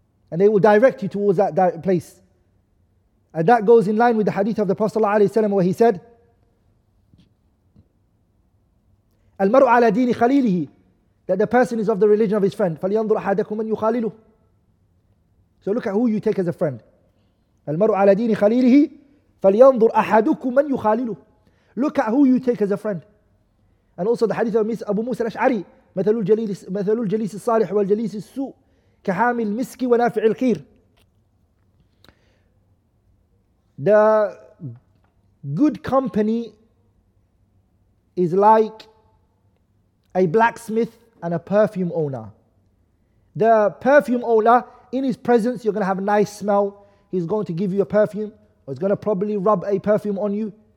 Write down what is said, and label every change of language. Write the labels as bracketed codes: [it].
[en] And they will direct you towards that place. And that goes in line with the hadith of the Prophet ﷺ where he said, المرء على دين خليله, that the person is of the religion of his friend. [ar] فلينظر أحدكم من يخالله. [en] So look at who you take as a friend. [ar] المرء على دين خليله فلينظر أحدكم من يخالله. [en] Look at who you take as a friend. And also the hadith of Abu Musa al-Ash'ari, مثل الجليس الصالح والجليس السوء كحامل المسك ونافع الخير. The good company is like a blacksmith and a perfume owner. The perfume owner, in his presence, you're going to have a nice smell. He's going to give you a perfume, or he's going to probably rub a perfume on you.